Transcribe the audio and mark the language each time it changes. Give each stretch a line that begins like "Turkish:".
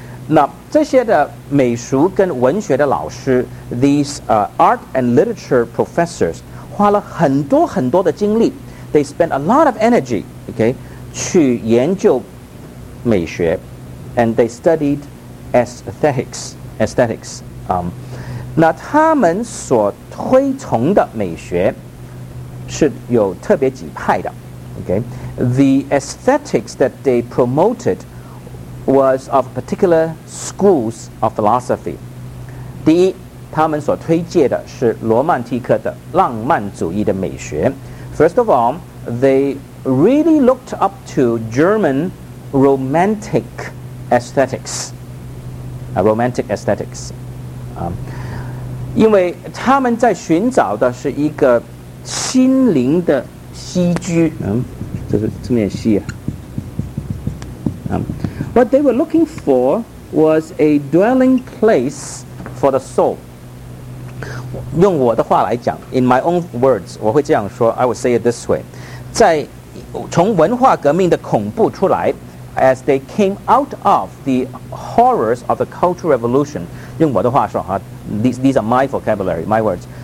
Chinese: 那这些的美术跟文学的老师
English: these art and literature professors
Chinese: 花了很多很多的精力
English: They spent a lot of energy, okay,
Chinese: 去研究美学
English: and they studied aesthetics.
Chinese: 那他们所推崇的美学是有特别几派的 okay.
English: The aesthetics that they promoted was of particular schools of philosophy.
Chinese: 第一，他们所推介的是罗曼蒂克的浪漫主义的美学。
English: First of all, they really looked up to German romantic aesthetics. Romantic aesthetics.
Chinese: 因为他们在寻找的是一个心灵的栖居。
English: What they were looking for was a dwelling place for the soul.
Chinese: 用我的话来讲
English: in my own words,
Chinese: 我会这样说
English: I would say it this way.
Chinese: 在从文化革命的恐怖出来
English: as they came out of the horrors of the Cultural Revolution,
Chinese: 用我的话说
English: these are my vocabulary, my words.